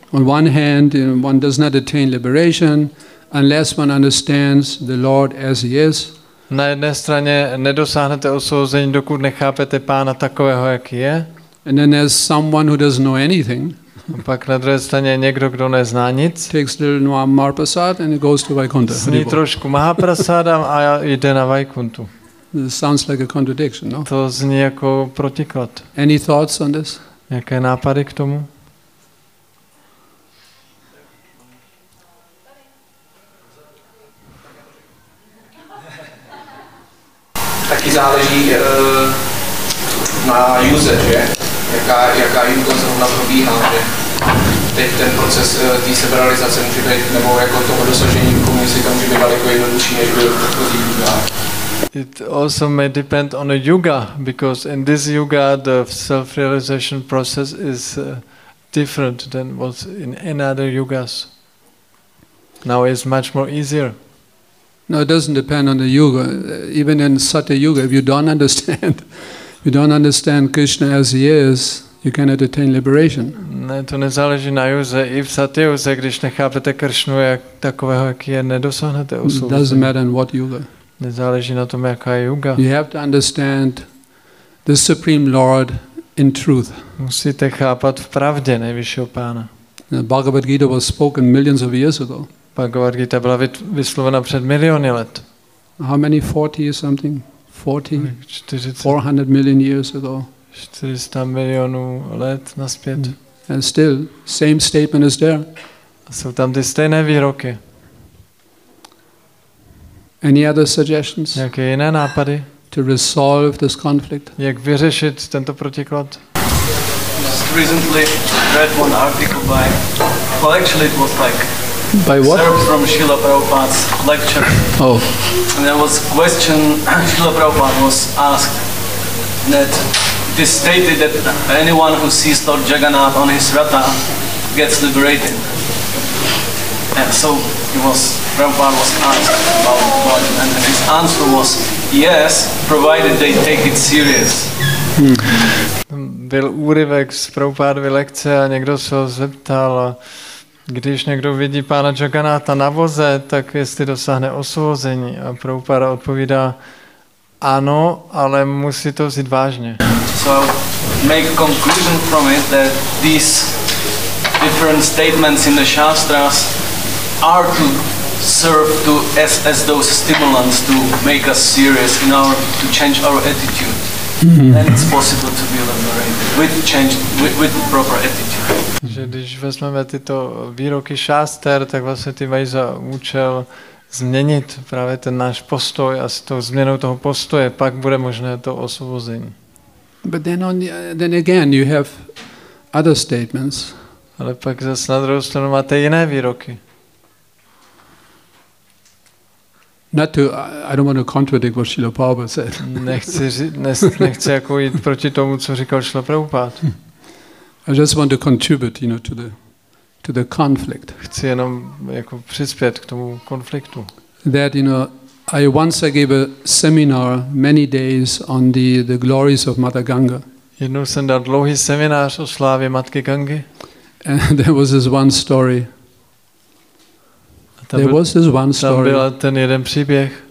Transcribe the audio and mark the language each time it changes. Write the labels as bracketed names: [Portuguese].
[English] On one hand, one does not attain liberation unless one understands the Lord as he is. [Czech] Na jedné straně nedosáhnete osvobození, dokud nechápete Pána takového, jaký je. [English] And then there's someone who doesn't know anything. [Czech] A pak na druhé straně někdo, kdo nezná nic. [English] Takes a little Mahaprasad and it goes to Vaikuntha. [Czech] Sní trošku Mahaprasada a jde na Vaikuntu. [English] This sounds like a contradiction, no? [Czech] To zní jako protiklad. [English] Any thoughts on this? [Czech] Jaké nápady k tomu? Taky záleží na user, že? Jaká jim to zrovna probíhá, že teď ten proces té seberealizace může být, nebo jako toho dosažení komunisty, to může být daleko jednodušší, než byl předchozí yoga. [English] It also may depend on a yuga, because in this yuga the self-realization process is different than what's in any other yugas. Now it's much more easier. No, it doesn't depend on the yuga. Even in Satya Yuga, if you don't understand, Krishna as he is, you cannot attain liberation. [Czech] Ne, to nezáleží na yuze. I v Satya Yuze, když nechápete Kršnu jak takového, jaký je, nedosáhnete osvobození. [English] Doesn't matter in what yuga. [Czech] Nezáleží na tom, jaká je yuga. [English] You have to understand the Supreme Lord in truth. [Czech] Musíte chápat v pravdě nejvyššího Pána. [English] The Bhagavad Gita was spoken millions of years ago. [Czech] Bhagavad Gita byla vyslovena před miliony let. [English] How many 40 or something? 400 million years ago. [Czech] 400 milionů let nazpět. [English] And still same statement is there. [Czech] A jsou tam ty stejné výroky. [English] Any other suggestions? [Czech] Jaké jiné nápady? [English] to resolve this conflict. [Czech] Jak vyřešit tento protiklad? [English] Just recently read one article by, well, actually it was like by what? From Srila Prabhupada's lecture. Oh. And there was question, Srila Prabhupada was asked that this stated that anyone who sees Lord Jagannath on his ratha gets liberated. And so he was, Prabhupada was asked about what, and his answer was yes, provided they take it serious. [Czech] Byl úryvek z Prabhupádovy lekce a někdo se ho zeptal, když někdo vidí pána Jagannatha na voze, tak jestli dosáhne osvobození. A Prabhupáda odpovídá, ano, ale musí to vzít vážně. [English] So make conclusion from it that these different statements in the Shastras are to serve to as those stimulants to make us serious in our, to change our attitude. And it's possible to be liberated with change, with the proper attitude. [Czech] Že když vezmeme tyto výroky šáster, tak vlastně ty mají za účel změnit právě ten náš postoj a s tou změnou toho postoje pak bude možné to osvobození. [English] But then, on the, then again you have other statements. [Czech] Ale pak zase na druhou stranu máte jiné výroky. [English] Not to, I don't want to contradict what Srila Prabhupada said. [Czech] nechci jako jít proti tomu, co říkal Srila Prabhupada. [English] I just want to contribute, you know, to the conflict. [Czech] Chci jenom jako přispět k tomu konfliktu. [English] That, you know, I gave a seminar many days on the glories of Mother Ganga. [Czech] Jednou jsem dal dlouhý seminář o slávě Matky Gangy. [English] And there was this one story. There was this one story. [Czech] Tam byl ten jeden příběh.